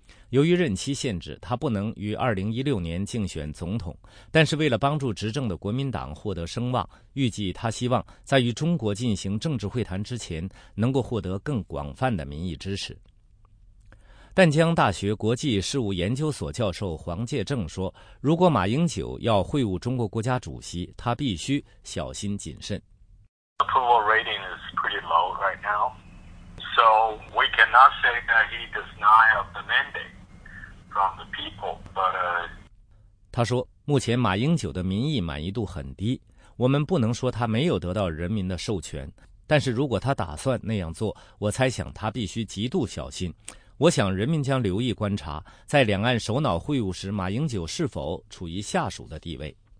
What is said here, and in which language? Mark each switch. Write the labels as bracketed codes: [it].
[zh] 由于任期限制，他不能于2016年竞选总统，但是为了帮助执政的国民党获得声望，预计他希望在与中国进行政治会谈之前能够获得更广泛的民意支持。淡江大学国际事务研究所教授黄介正说，如果马英九要会晤中国国家主席，他必须小心谨慎。 [en] Approval rating is pretty low right now, so we cannot say that he does not have the mandate from the people, but [zh] 他说，目前马英九的民意满意度很低，我们不能说他没有得到人民的授权，但是如果他打算那样做，我猜想他必须极度小心。我想人民将留意观察，在两岸首脑会晤时，马英九是否处于下属的地位。